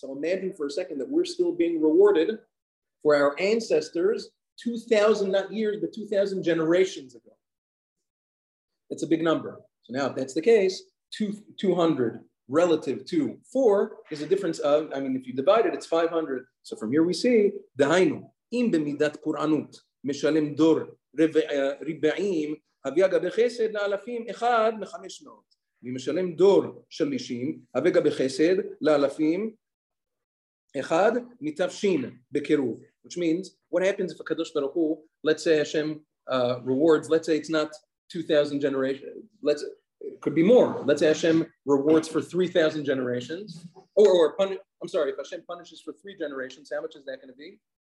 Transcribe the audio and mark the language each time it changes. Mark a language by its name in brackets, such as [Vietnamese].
[English] So imagine for a second that we're still being rewarded for our ancestors 2,000, not years, but 2,000 generations ago. That's a big number. So now, if that's the case, 200 relative to 4 is a difference of, I mean, if you divide it, it's 500. So from here we see, [Hebrew] Dehainu, Im b'midat pur'anut, משלם דור רבעים, הביא אגב חסד לאלפים אחד מחמש מאות. ומשלם דור שלישים, הביא אגב חסד לאלפים אחד מתפשין בקירוב. [English] Which means, what happens if a Kadosh Baruch Hu, let's say Hashem rewards, let's say it's not 2,000 generations, let's, it could be more. Let's say Hashem rewards for 3,000 generations, if Hashem punishes for 3 generations, how much is that going to be?